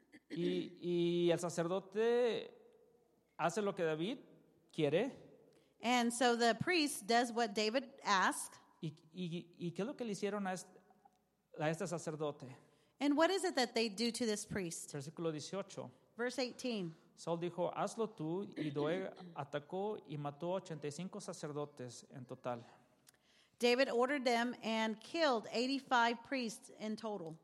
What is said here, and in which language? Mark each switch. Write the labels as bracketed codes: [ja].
[es] Y el sacerdote hace lo que David quiere. [en] And so the priest does what David asks. [es] ¿Y qué es lo que le hicieron a este sacerdote? [en] And what is it that they do to this priest? [es] Versículo 18. [en] Verse 18. [es] Saul dijo, hazlo tú, y Doeg atacó y mató 85 sacerdotes en total. [en] David ordered them and killed 85 priests in total.